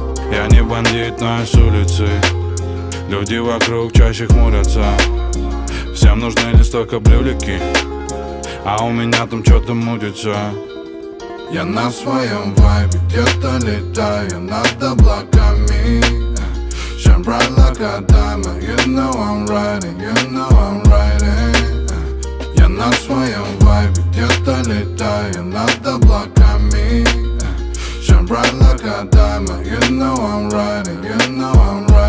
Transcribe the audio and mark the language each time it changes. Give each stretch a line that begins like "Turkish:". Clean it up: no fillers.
Russian: Я не бандит, но я с улицы. Люди вокруг чаще хмурятся, всем нужны лишь только брюлики, а у меня там что-то мутится. Я на своем вайбе, где-то летаю над облаками.
English: Shine bright like a diamond, you know I'm riding, you know I'm riding.
Russian: Я на своем вайбе, где-то летаю над облаками.
English: Shine bright like a diamond, you know I'm riding, you know I'm riding.